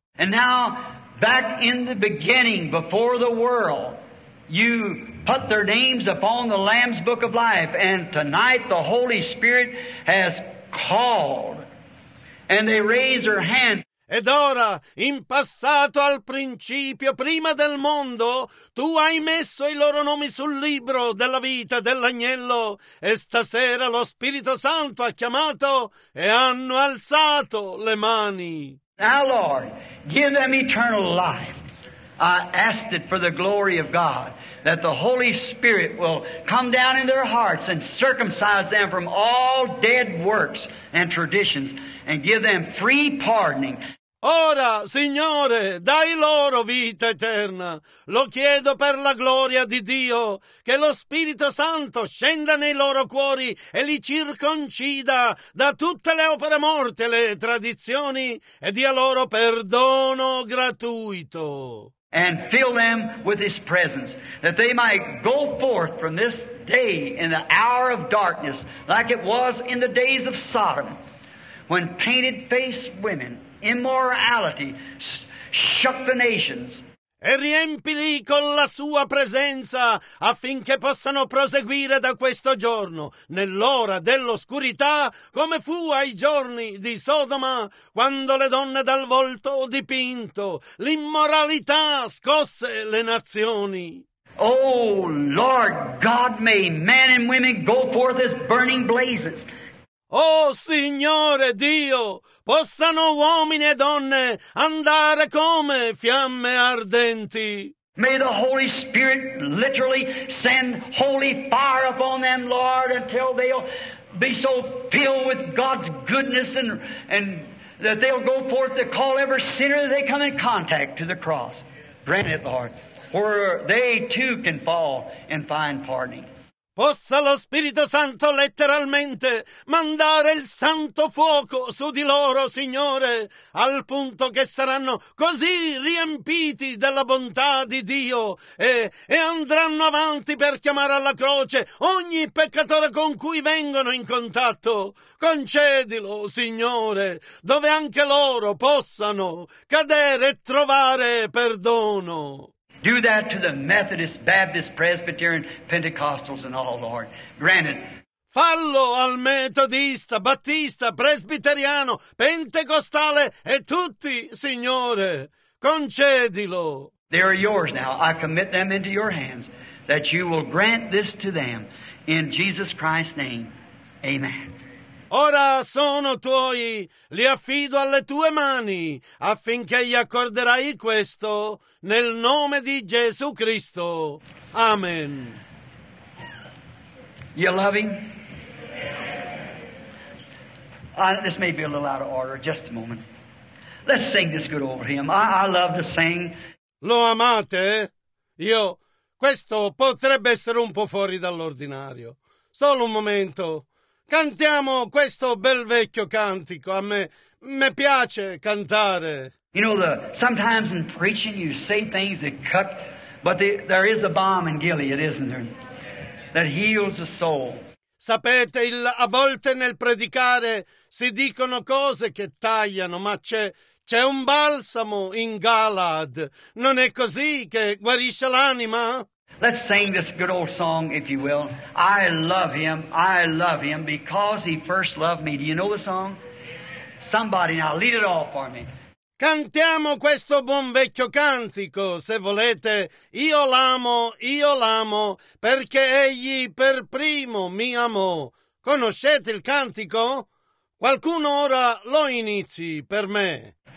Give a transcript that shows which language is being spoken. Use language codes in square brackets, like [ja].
[en] And now, back in the beginning, before the world, you put their names upon the Lamb's Book of Life, and tonight the Holy Spirit has called, and they raise their hands. [it] Ed ora, in passato al principio, prima del mondo, tu hai messo i loro nomi sul libro della vita dell'agnello, e stasera lo Spirito Santo ha chiamato e hanno alzato le mani. [en] Now, Lord, give them eternal life. I asked it for the glory of God, that the Holy Spirit will come down in their hearts and circumcise them from all dead works and traditions and give them free pardoning. [it] Ora, Signore, dai loro vita eterna. Lo chiedo per la gloria di Dio, che lo Spirito Santo scenda nei loro cuori e li circoncida da tutte le opere morte e le tradizioni e dia loro perdono gratuito. [en] And fill them with his presence, that they might go forth from this day in the hour of darkness, like it was in the days of Sodom, when painted-faced women, immorality, shook the nations. [it] E riempili con la sua presenza, affinché possano proseguire da questo giorno, nell'ora dell'oscurità, come fu ai giorni di Sodoma, quando le donne dal volto dipinto, l'immoralità scosse le nazioni. [en] Oh, Lord God, may men and women go forth as burning blazes. [it] Oh, Signore Dio, possano uomini e donne andare come fiamme ardenti. [en] May the Holy Spirit literally send holy fire upon them, Lord, until they'll be so filled with God's goodness and that they'll go forth to call every sinner that they come in contact to the cross. Grant it, Lord, for they too can fall and find pardoning. [it] Possa lo Spirito Santo letteralmente mandare il santo fuoco su di loro, Signore, al punto che saranno così riempiti della bontà di Dio e andranno avanti per chiamare alla croce ogni peccatore con cui vengono in contatto. Concedilo, Signore, dove anche loro possano cadere e trovare perdono. [en] Do that to the Methodist, Baptist, Presbyterian, Pentecostals and all, Lord. Grant it. [it] Fallo al metodista, battista, presbiteriano, pentecostale e tutti, Signore. Concedilo. [en] They are yours now. I commit them into your hands, that you will grant this to them. In Jesus Christ's name, amen. [it] Ora sono tuoi, li affido alle tue mani, affinché gli accorderai questo, nel nome di Gesù Cristo. Amen. [en] You love him? This may be a little out of order, just a moment. Let's sing this good old hymn. I love to sing. [it] Lo amate? Io, questo potrebbe essere un po' fuori dall'ordinario. Solo un momento. Cantiamo questo bel vecchio cantico. A me piace cantare. [en] You know, sometimes in preaching you say things that cut, but there is a balm in Gilead, isn't there? That heals the soul. [it] Sapete, a volte nel predicare si dicono cose che tagliano, ma c'è un balsamo in Galaad. Non è così che guarisce l'anima? [en] Let's sing this good old song, if you will. I love him, because he first loved me. Do you know the song? Somebody now, lead it all for me. [it] Cantiamo questo buon vecchio cantico, se volete. Io l'amo, perché egli per primo mi amò. Conoscete il cantico? Qualcuno ora lo inizi per me.